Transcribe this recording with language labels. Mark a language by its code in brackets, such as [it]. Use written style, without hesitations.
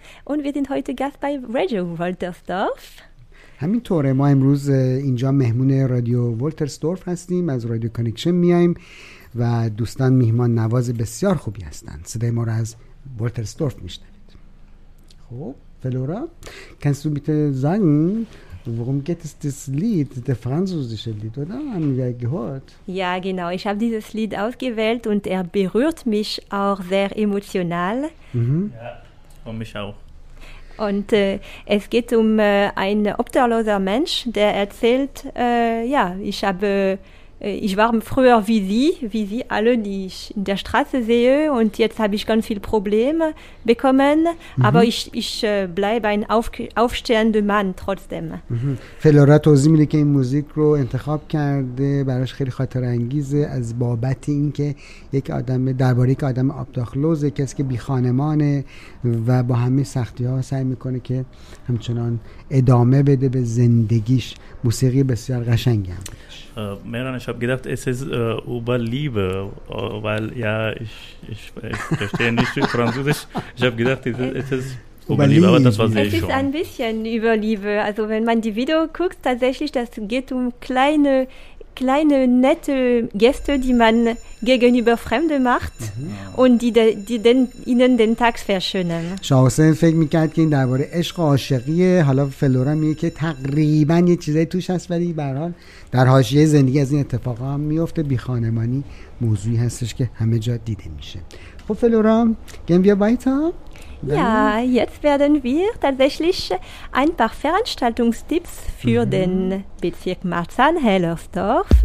[de] Und wir sind heute Gast bei Radio Woltersdorf. [fa] همینطوره، ما امروز اینجا مهمون رادیو ولترزدورف هستیم، از رادیو کانکشن میاییم و دوستان مهمان نواز بسیار خوبی هستند. صدای ما رو از ولترزدورف میشنوید. خوب. [de] Flora, kannst du bitte sagen, worum geht es das Lied, der französische Lied, oder? Haben wir gehört? Ja, genau. Ich habe dieses Lied ausgewählt und er berührt mich auch sehr emotional. Mhm. Ja, und mich auch. Und es geht um einen obdachloser Mensch, der erzählt, ich war früher wie Sie alle, die ich in der Straße sehe, und jetzt habe ich ganz viele Probleme bekommen, aber ich bleibe ein aufstehender Mann trotzdem. [fa] فلورا توضیح میده که این موزیک رو انتخاب کرده براش خیلی خاطر انگیزه از بابت این که یک آدم درباره یک آدم آبداخلوزه کسی که بی خانمانه و با همه سختی ها سعی میکنه که همچنان ادامه بده به زندگیش موسیقی بسیار قشنگی هم [de] Mehran, ich habe gedacht, es ist über Liebe, weil ja, ich verstehe nicht Französisch. Ich habe gedacht, es ist über Liebe, aber das war sehr schön. Es ist ein bisschen über Liebe. Also wenn man die Video guckt, tatsächlich, das geht um kleine nette Gäste, die man gegenüber Fremden macht und die den, ihnen den Tag verschönern. [fa] شاوسن فکر میکرد که این درباره عشق و عاشقیه. حالا فلورا میگه که تقریبا یه چیزایی توش هست ولی به هر حال در حاشیه زندگی از این اتفاقا میفته. بی خانمانی موضوعی هستش که همه جا دیده میشه. خب فلورا گیم بیا بایتا. [de] Ja, jetzt werden wir tatsächlich ein paar Veranstaltungstipps für den Bezirk Marzahn-Hellersdorf